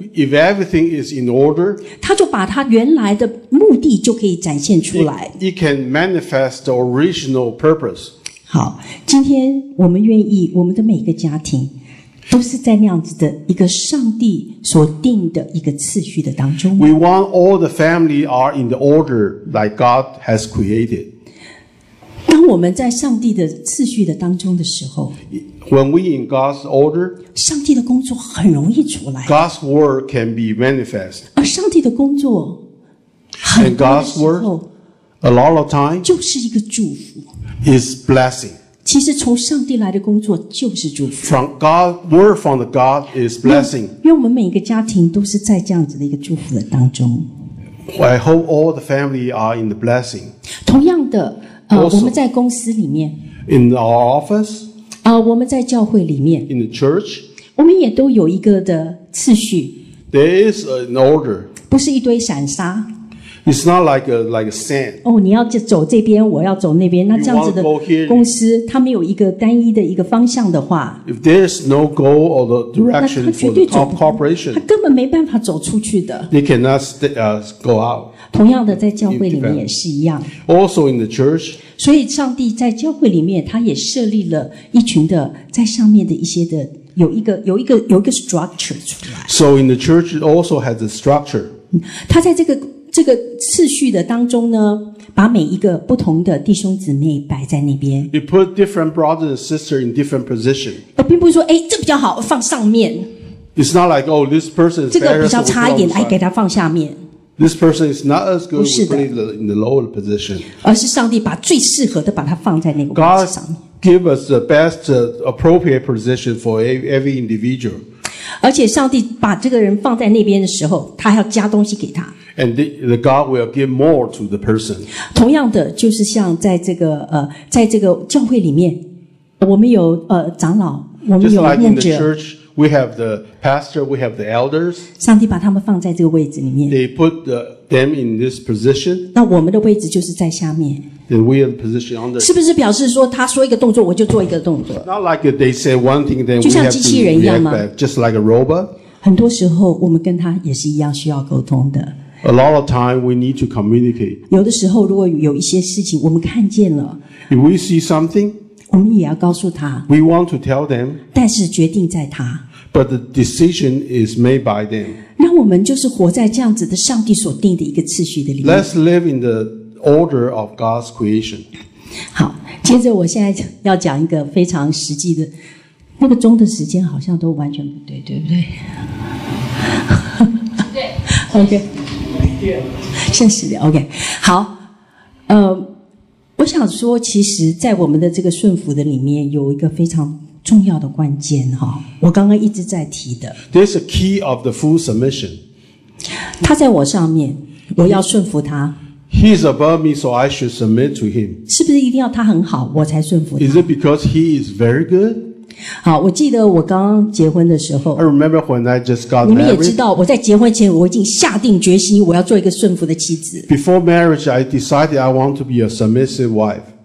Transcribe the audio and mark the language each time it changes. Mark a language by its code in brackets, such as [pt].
[en] ，if everything is in order， [zh] 他就把他原来的目的就可以展现出来。 [en] It can manifest the original purpose。 [zh] 好，今天我们愿意，我们的每个家庭都是在那样子的一个上帝所定的一个次序的当中。 [en] We want all the family are in the order like God has created. [zh] 当我们在上帝的次序的当中的时候 [en] ，When we in God's order， [zh] 上帝的工作很容易出来。 [en] God's work can be manifest. [zh] 而上帝的工作 [en] ，And God's work a lot of time [zh] 就是一个祝福。 [en] Is blessing. [zh] 其实从上帝来的工作就是祝福。 [en] From God, word from the God is blessing. [zh] 因为我们每一个家庭都是在这样子的一个祝福的当中。 [en] I hope all the family are in the blessing. [zh] 同样的， [en] also, [zh] 我们在公司里面。 [en] In our office. [zh] 我们在教会里面。 [en] In the church. [zh] 我们也都有一个的次序。 [en] There is an order. [zh] 不是一堆散沙。 [en] It's not like a sand. [zh] 哦，你要走这边，我要走那边，那这样子的公司，它没有一个单一的一个方向的话 [en] ，If there's no goal or the direction for the top corporation, [zh] 它根本没办法走出去的。 [en] They cannot stay, go out. [zh] 同样的，在教会里面也是一样。 [en] Also in the church. [zh] 所以，上帝在教会里面，他也设立了一群的在上面的一些的有一个 structure 出来。 [en] So in the church, it also has a structure. [zh] 他在这个次序的当中呢，把每一个不同的弟兄姊妹摆在那边。 [en] You put different brothers and sisters in different position. [zh] 并不是说，哎，这比较好放上面。 [en] It's not like, oh, this person is [zh] 这个比较差一点，来给他放下面。 [en] This person is not as good. We put it in the lower position. [zh] 而是上帝把最适合的把它放在那个位置上面。 [en] God give us the best appropriate position for every individual. [zh] 而且上帝把这个人放在那边的时候，他还要加东西给他。 [en] And the God will give more to the person. [zh] 同样的，就是像在这个在这个教会里面，我们有长老，我们有牧者。 [en] Just like in the church, we have the pastor, we have the elders. [zh] 上帝把他们放在这个位置里面。 [en] They put them in this position. [zh] 那我们的位置就是在下面。 [en] Then we are the position under. [zh] 是不是表示说他说一个动作，我就做一个动作 [en] ？Not like they say one thing, then we have to react back. [zh] 就像机器人一样吗 [en] ？Just like a robot. [zh] 很多时候，我们跟他也是一样需要沟通的。 [en] A lot of time we need to communicate. [zh] 有的时候，如果有一些事情我们看见了 [en] ，If we see something, [zh] 我们也要告诉他。 [en] We want to tell them. [zh] 但是决定在他。 [en] But the decision is made by them. [zh] 让我们就是活在这样子的上帝所定的一个次序的里面。 [en] Let's live in the order of God's creation. [zh] 好，接着我现在要讲一个非常实际的，那个钟的时间好像都完全不对，对不对？对 [en] ，OK。 [zh] 现实的 ，OK， 好，我想说，其实，在我们的这个顺服的里面，有一个非常重要的关键哈、哦，我刚刚一直在提的。 [en] There's a key of the full submission. [zh] 他在我上面，我要顺服他。 [en] He's above me, so I should submit to him. [zh] 是不是一定要他很好，我才顺服他？ [en] Is it because he is very good? [zh] 好，我记得我刚结婚的时候。 [en] I remember when I just got married. [zh] 你们也知道，我在结婚前我已经下定决心，我要做一个顺服的妻子。 [en] Before marriage, I decided I want to be a submissive wife.